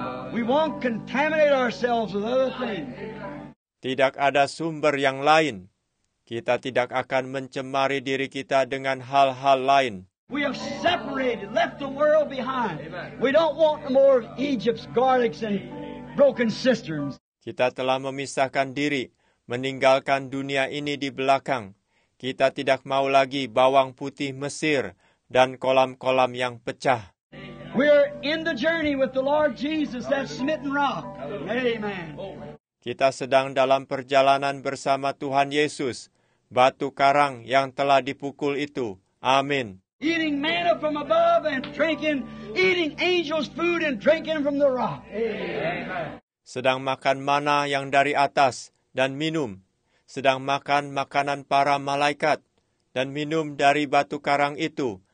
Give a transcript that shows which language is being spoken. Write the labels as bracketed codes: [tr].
[en] We won't contaminate ourselves with other things. [id] Tidak ada sumber yang lain. Kita tidak akan mencemari diri kita dengan hal-hal lain. [en] We have separated, left the world behind. We don't want more of Egypt's garlics and broken cisterns. [id] Kita telah memisahkan diri, meninggalkan dunia ini di belakang. Kita tidak mau lagi bawang putih Mesir dan kolam-kolam yang pecah. [en] We are in the journey with the Lord Jesus, that smitten rock. Amen. [id] Kita sedang dalam perjalanan bersama Tuhan Yesus, batu karang yang telah dipukul itu. Amin. [en] Eating manna from above and drinking, eating angels' food and drinking from the rock. [id] Sedang makan manna yang dari atas dan minum. Sedang makan makanan para malaikat dan minum dari batu karang itu.